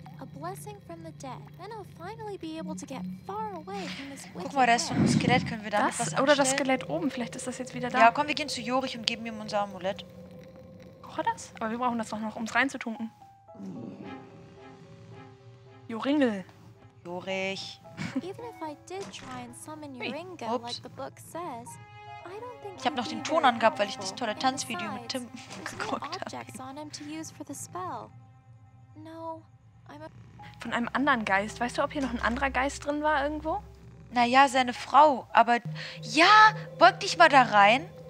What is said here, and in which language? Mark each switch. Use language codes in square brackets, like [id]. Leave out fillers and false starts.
[en] a blessing from the dead. Then I'll finally be able to get far away from this. [de] Guck mal, da ist so ein Skelett, können wir da was abstellen? Oder das Skelett oben, vielleicht ist das jetzt wieder da. Ja, komm, wir gehen zu Jorich und geben ihm unser Amulett. Braucht er das? Aber wir brauchen das doch noch, um es reinzutunken. Joringel. Jorich. [en] Even if I did try and summon Joringa, like the book says, I don't think. [de] Ich habe noch den Ton angehabt, weil ich das tolle Tanzvideo mit Tim geguckt habe. No. Von einem anderen Geist. Weißt du, ob hier noch ein anderer Geist drin war irgendwo? Naja, seine Frau. Aber ja, beug dich mal da rein.